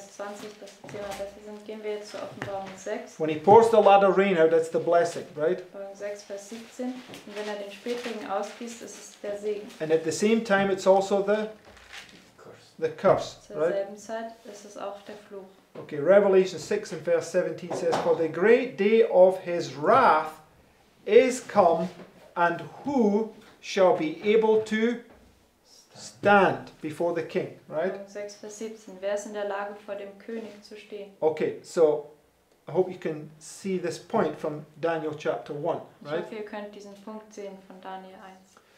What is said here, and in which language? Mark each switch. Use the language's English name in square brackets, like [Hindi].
[German] Vers 20, dass die Zimmer besser sind, gehen wir jetzt zu Offenbarung 6. [English] When he pours the latter rain out, that's the blessing, right? [German] Offenbarung 6, Vers 17. Und wenn er den Spätregen ausgießt, ist es der Segen. [English] And at the same time, it's also the curse. The curse, zur right? [German] Zur selben Zeit ist es auch der Fluch. [English] Okay, Revelation 6 and verse 17 says, for the great day of his wrath is come, and who shall be able to stand before the king, right? [German] 6 verse 17, wer ist in der Lage, vor dem König zu stehen? [English] Okay, so I hope you can see this point from Daniel chapter 1, right? [German] Ich hoffe, ihr könnt diesen Punkt sehen von Daniel 1.